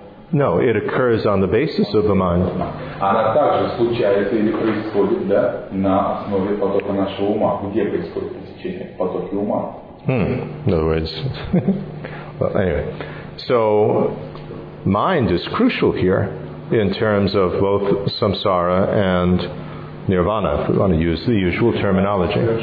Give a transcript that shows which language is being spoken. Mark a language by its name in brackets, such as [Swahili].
[English] No, it occurs on the basis of the mind. [Russian] Она также случается или происходит, да, на основе потока нашего ума. Где происходит пресечение? В потоке ума. [English] In other words... Well, anyway. So, mind is crucial here in terms of both samsara and Nirvana, if we want to use the usual terminology.